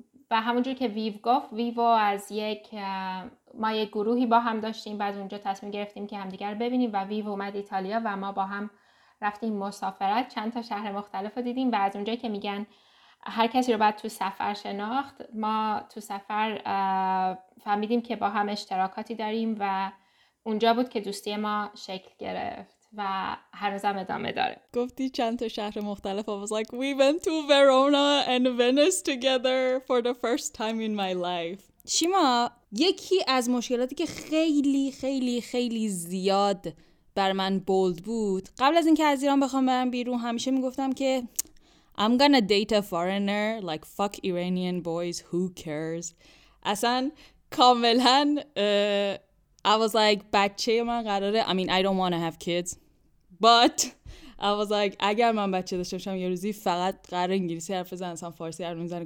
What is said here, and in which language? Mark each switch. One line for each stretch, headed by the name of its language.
Persian: و همونجور که ویو گفت، ویو از یک ما یک گروهی با هم داشتیم، بعد اونجا تصمیم گرفتیم که همدیگر ببینیم و ویو اومد ایتالیا و ما با هم رفتیم مسافرت، چند تا شهر مختلف رو دیدیم و از اونجایی که میگن هر کسی رو بعد تو سفر شناخت. ما تو سفر فهمیدیم که با هم اشتراکاتی داریم و اونجا بود که دوستی ما شکل گرفت و هر روزم ادامه داره. گفتی چند تا شهر مختلف.
English: I was like, we went to Verona and Venice together for the first time in my life.
Persian: شیما، یکی از مشکلاتی که خیلی خیلی خیلی زیاد بر من بولد بود، قبل از اینکه از ایران بخوام برم بیرون همیشه میگفتم که
English: I'm gonna date a foreigner, like fuck Iranian boys, who cares.
Persian: اصلا کاملا
English: I was like
Persian: بچه من قراره،
English: I mean I don't wanna have kids, but I was like
Persian: اگر من بچه داشته باشم یه روزی فقط قراره انگلیسی حرف بزنم، اصلا فارسی حرف نمیزنم.